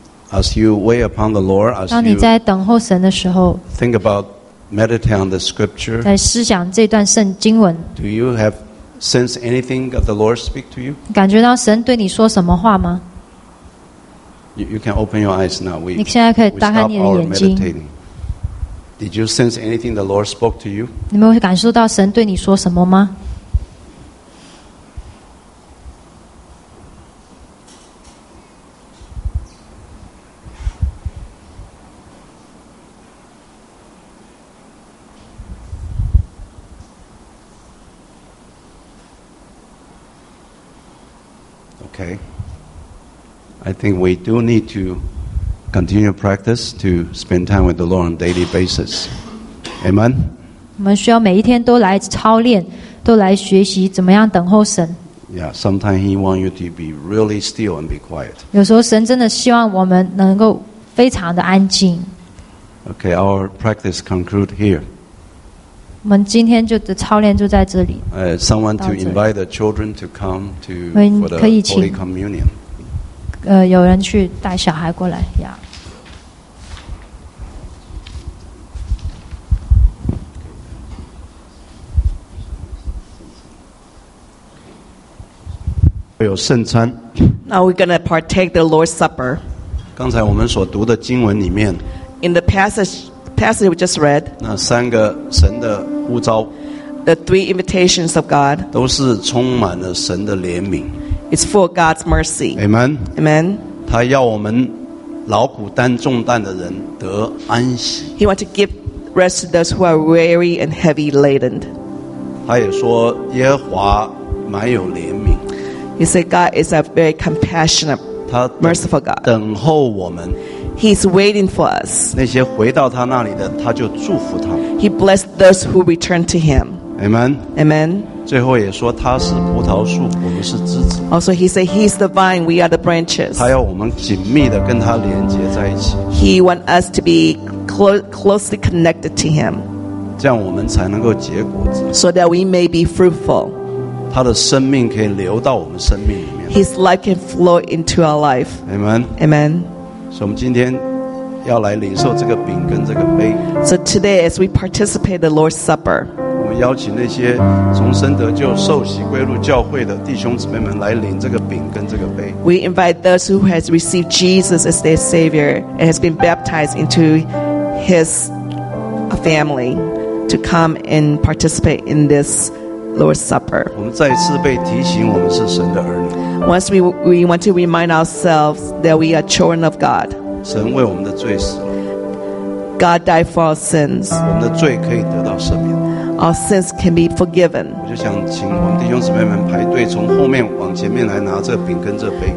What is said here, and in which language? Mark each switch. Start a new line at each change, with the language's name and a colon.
English: As you wait upon the Lord, as you
Chinese: 当你在等候神的时候
English: ，think about meditate on the scripture，
Chinese: 在思想这段圣经文。
English: Do you have sense anything of the Lord speak to you？
Chinese: 感觉到神对你说什么话吗
English: ？You can open your eyes now. We
Chinese: 你现在可以打开你的眼睛。
English: Did you sense anything the Lord spoke to you？
Chinese: 你们会感受到神对你说什么吗？
English: I think we do need to continue practice to spend time with the Lord on a daily basis. Amen.
Chinese: 我们需要每一天都来操练，都来学习怎么样等候神。
English: Yeah, sometimes He wants you to be really still and be quiet.
Chinese: 有时候神真的希望我们能够非常的安静。
English: Okay, our practice conclude here.
Chinese: 我们今天就的操练就在这里。
English: Someone to invite the children to come to for the Holy Communion.
Chinese: 有人去带小孩过来呀。有圣餐。
English: Now we're going to partake the Lord's Supper.
Chinese: 刚才我们所读的经文里面。
English: In the passage we just read.
Chinese: 那三个神的呼召。
English: The three invitations of God.
Chinese: 都是充满了神的怜悯。
English: It's for God's mercy. Amen. Amen.
Chinese: 他要我们劳苦担重担的人得安息。
English: He wants to give rest to those who are weary and heavy laden.
Chinese: 他也说耶和华满有怜悯。
English: He said God is a very compassionate,
Chinese: 他
English: merciful God.
Chinese: 等候我们。
English: He's waiting for us.
Chinese: 那些回到他那里的，他就祝福他。
English: He blessed those who return to Him. Amen. Amen.
Chinese: 最后也说他是葡萄树，我们是枝子。
English: Also, he said he's the vine, we are the branches.
Chinese: 他要我们紧密的跟他连接在一起。
English: He wants us to be closely connected to him.
Chinese: 这样我们才能够结果子。
English: So that we may be fruitful.
Chinese: 他的生命可以流到我们生命里面。
English: His life can flow into our life. Amen. Amen.
Chinese: 所以我们今天要来领受这个饼跟这个杯。
English: So today, as we participate the Lord's Supper.
Chinese: 邀请那些从生得救受洗归入教会的弟兄姊妹们来领这个饼跟这个杯。
English: We invite those who has received Jesus as their Savior and has been baptized into His family to come and participate in this Lord's Supper.
Chinese: 我们再次被提醒，我们是神的儿女。
English: Once we want to remind ourselves that we are children of God.
Chinese: 神为我们的罪死了。
English: God died for our sins.
Chinese: 我们的罪可以得到赦免。
English: Our sins can be forgiven.
Chinese: 我就想请我们弟兄姊妹们排队，从后面往前面来拿这饼跟这杯。